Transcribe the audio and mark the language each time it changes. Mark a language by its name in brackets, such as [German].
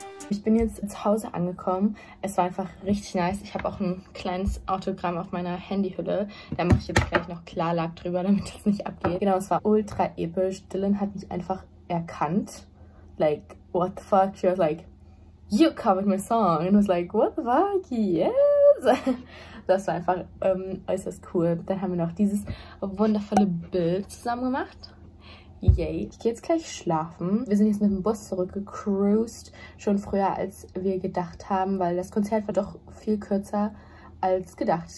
[German] Ich bin jetzt zu Hause angekommen. Es war einfach richtig nice. Ich habe auch ein kleines Autogramm auf meiner Handyhülle. Da mache ich jetzt gleich noch Klarlack drüber, damit das nicht abgeht. Genau, es war ultra episch. Dylan hat mich einfach erkannt. [English] Like, what the fuck? She was like, "You covered my song." And I was like, "What the fuck? Yes." [German] Das war einfach äußerst cool. Dann haben wir noch dieses wundervolle Bild zusammen gemacht. Yay. Ich gehe jetzt gleich schlafen. Wir sind jetzt mit dem Bus zurückgecruised. Schon früher, als wir gedacht haben, weil das Konzert war doch viel kürzer als gedacht.